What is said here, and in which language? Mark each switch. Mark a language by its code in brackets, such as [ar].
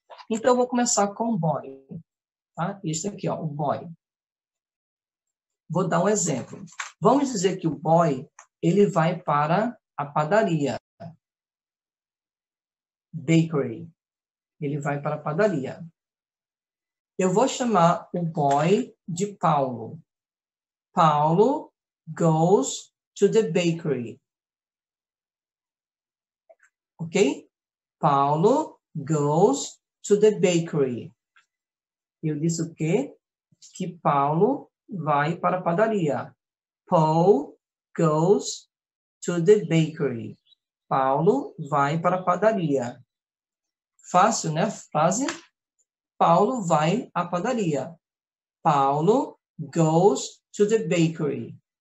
[pt] Então, eu vou começar com o boy, tá? Este aqui, ó, o boy. Vou dar um exemplo. Vamos dizer que o boy, ele vai para a padaria. Bakery. Ele vai para a padaria. Eu vou chamar o boy de Paulo. [en] Paulo goes to the bakery. Ok? Paulo goes to the bakery. [pt] Eu disse o quê? Que Paulo vai para a padaria. [en] Paul goes to the bakery. [pt] Paulo vai para a padaria. Fácil, né? Frase. Paulo vai à padaria. [en] Paulo goes to the bakery.